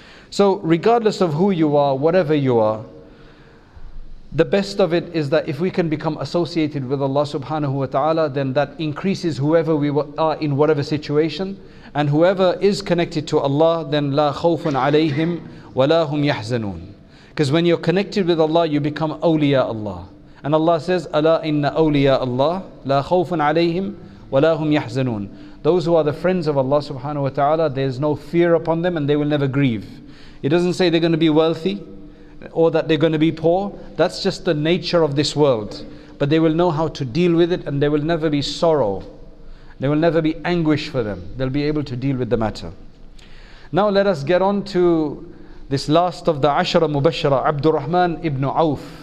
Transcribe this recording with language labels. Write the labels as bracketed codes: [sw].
[en] So regardless of who you are, whatever you are, the best of it is that if we can become associated with Allah subhanahu wa ta'ala, then that increases whoever we are in whatever situation. And whoever is connected to Allah, then [ar] لا خوف عليهم ولا هم يحزنون. [en] Because when you're connected with Allah, you become awliya Allah. And Allah says, [ar] أَلَا إِنَّ أَوْلِيَا اللَّهِ لَا خَوْفٌ عَلَيْهِمْ وَلَا هُمْ يَحْزَنُونَ. [en] Those who are the friends of Allah subhanahu wa ta'ala, there is no fear upon them and they will never grieve. It doesn't say they're going to be wealthy or that they're going to be poor. That's just the nature of this world. But they will know how to deal with it, and there will never be sorrow. There will never be anguish for them. They'll be able to deal with the matter. Now let us get on to this last of the Ashara Mubashara, Abdurrahman ibn Auf.